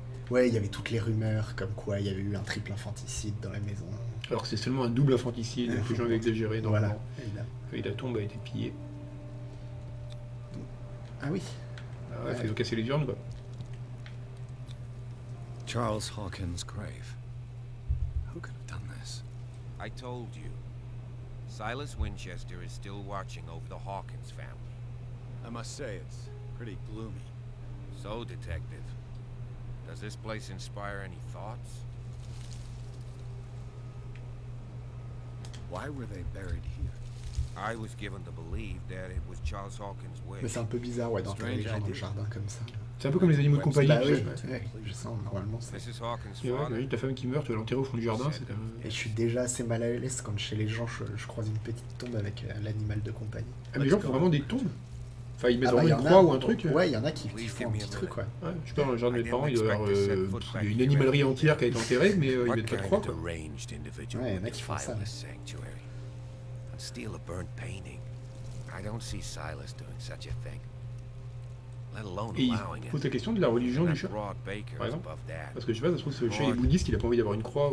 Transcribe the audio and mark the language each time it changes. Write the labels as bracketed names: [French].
[French] Ouais, il y avait toutes les rumeurs comme quoi il y avait eu un triple infanticide dans la maison. Alors que c'est seulement un double infanticide, un peu j'avais exagéré. Voilà. Et la tombe a été pillée. Ah oui. Ah ouais, ils ont cassé les urnes, quoi. [English] Charles Hawkins' grave. Who could have done this? I told you. Silas Winchester is still watching over the Hawkins family. I must say, it's pretty gloomy. So, detective, does this place inspire any thoughts? Why were they buried here? I was given to believe that it was Charles Hawkins' wish. [French] Mais c'est un peu bizarre, ouais, d'entrer les gens dans le jardin comme ça. C'est un peu comme les animaux de compagnie. Bah oui, je sens, normalement, c'est. [English] Mrs. [French] Hawkins, ouais, ta femme qui meurt, tu vas l'enterrer au fond du jardin, c'est quand même. Et je suis déjà assez mal à l'aise quand chez les gens, je croise une petite tombe avec l'animal de compagnie. Ah, mais les gens font vraiment des tombes. Enfin, ils mettent une croix ou un truc. Ouais, il y en a qui font un petit truc, quoi. Ouais, je suis pas dans le jardin de mes parents, il doit y avoir une animalerie entière qui a été enterrée, mais ils mettent pas de croix. Ouais, il y en a qui font ça. [English] Steal a burnt painting. I don't see Silas doing such a thing. Let alone allowing it. [French] Et il pose la question de la religion du chat, par exemple. Parce que je sais pas, ça se trouve que ce chat est bouddhiste, qu'il a pas envie d'avoir une croix.